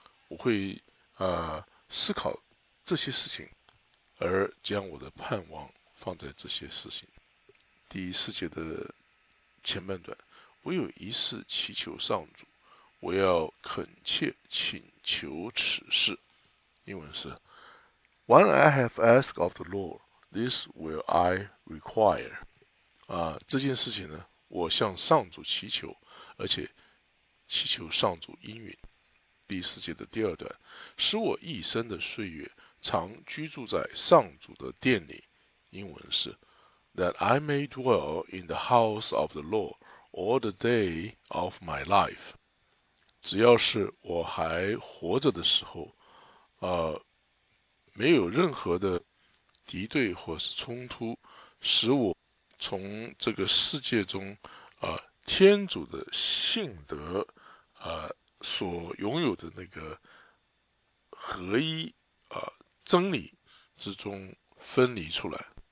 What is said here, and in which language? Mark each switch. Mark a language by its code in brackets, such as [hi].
[zh] 我会，思考这些事情，而将我的盼望放在这些事情。第四节的前半段，我有一事祈求上主，我要恳切请求此事。英文是 [en] When I have asked of the Lord, this will I require. [zh] 这件事情呢，我向上主祈求，而且祈求上主应允。第四节的第二段，使我一生的岁月常居住在上主的殿里。英文是 [en] That I may dwell in the house of the Lord all the day of my life. [zh] 只要是我还活着的时候，没有任何的敌对或是冲突使我从这个世界中，天主的信德，所拥有的那个合一，真理之中分离出来。